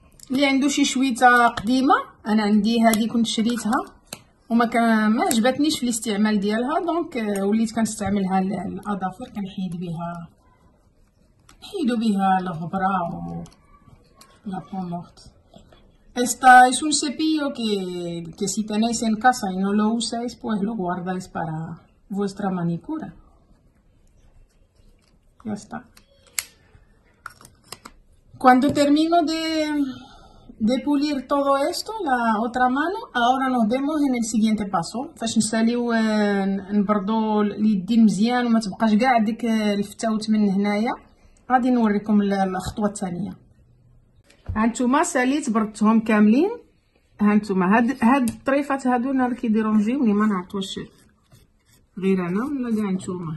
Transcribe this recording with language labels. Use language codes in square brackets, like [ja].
[ar] اللي عنده شي شويته قديمه، انا عندي هذه كنت شريتها وما كان ما عجبتنيش في الاستعمال ديالها، دونك وليت كنستعملها الاظافر، كنحيد بيها نحيدو بيها الغبره و لا بون مورت. [es] Esta es un cepillo que si tenéis en casa y no lo usáis, pues lo guardáis para vuestra manicura. Ya está. Cuando termino de pulir todo esto, la otra mano, ahora nos vemos en el siguiente paso. [ar] فاش نساليو نبردو اليدين مزيان وما تبقاش كاع ديك الفتاوت من هنايا، غادي نوريكم الخطوه الثانيه. هانتوما ساليت بردتهم كاملين، هانتوما هاد الطريفات هادو انا اللي كيديرو مزيوني، ما نعرفوش غير انا ولا كاع نتوما.